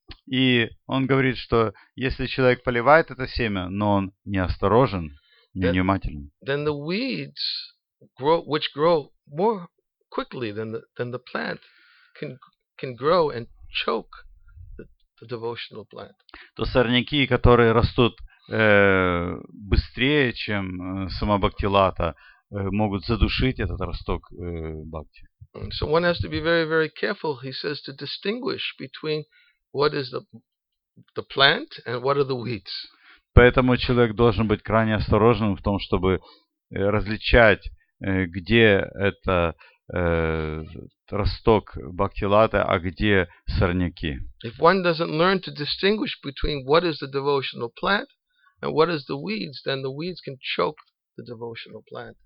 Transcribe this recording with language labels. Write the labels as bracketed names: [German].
[Russian] И он говорит, что если человек поливает это семя, но он неосторожен, невнимателен, [English] then the weeds grow, which grow more quickly than the plant, can grow and choke the devotional plant. [Russian] То сорняки, которые растут быстрее, чем сама бхактилата, могут задушить этот росток бхакти. [English] So one has to be very, very careful, he says, to distinguish between what is the plant and what are the weeds. [Russian] Поэтому человек должен быть крайне осторожным в том, чтобы различать, где это росток бхактилата, а где сорняки. [English] If one doesn't learn to distinguish between what is the devotional plant and what is the weeds, then the weeds can choke the devotional plant.